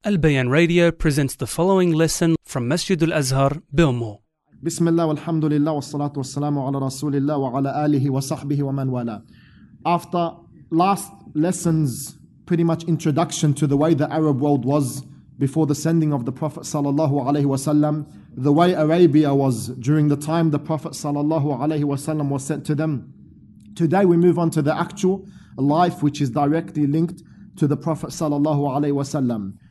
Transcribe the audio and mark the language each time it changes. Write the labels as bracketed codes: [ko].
[en] البيان radio presents the following lesson from مسجد الأزهر بأمه. [ar] بسم الله والحمد لله والصلاة والسلام على رسول الله وعلى آله وصحبه ومن والاه. [en] After last lesson's pretty much introduction to the way the Arab world was before the sending of the Prophet صلى الله عليه وسلم, the way Arabia was during the time the Prophet صلى الله عليه وسلم was sent to them. Today we move on to the actual life which is directly linked to the Prophet صلى الله عليه وسلم.